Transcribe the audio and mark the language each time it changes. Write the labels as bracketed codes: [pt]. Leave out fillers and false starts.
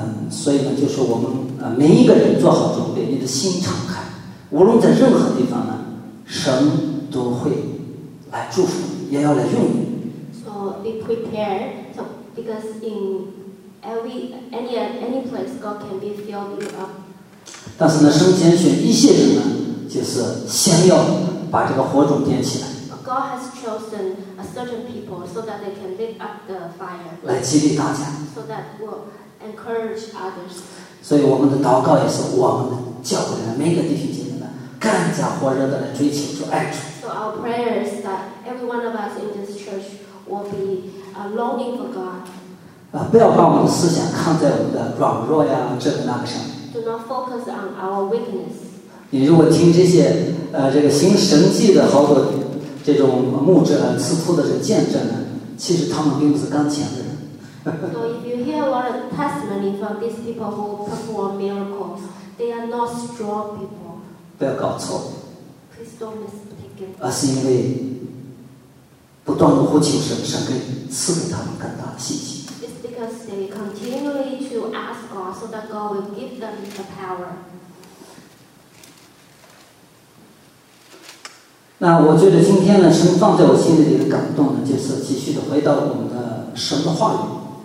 [zh] 所以呢，就是我们每一个人做好准备，你的心敞开，无论在任何地方呢，神都会来祝福你，也要来用你。 [en] So be prepared. So because in any place, God can be filled you up. [zh] 但是呢，神拣选一些人呢，就是先要把这个火种点起来。 [en] God has chosen a certain people so that they can lift up the fire. [zh] 来激励大家。 [en] So that will encourage others. [zh] 所以我们的祷告也是我们的教会的每个弟兄姐妹们更加火热的来追求主爱主。 [en] So our prayer is that every one of us in this church will be longing for God. [zh] 不要把我们的思想看在我们的软弱呀这个那个上。 [en] Do not focus on our weakness. [zh] 你如果听这些这个行神迹的好多这种牧者啊、赐福的这个见证呢，其实他们并不是刚强的人。 [en] So if you hear a lot of testimony from these people who perform miracles, they are not strong people. [zh] 不要搞错。 [en] Please don't mistake it. [zh] 而是因为不断的呼求神，神给赐给他们更大的信心。 [en] It's because they continually to ask God so that God will give them the power. [zh] 那我觉得今天呢，神放在我心里的感动呢，就是继续的回到我们的神的话语。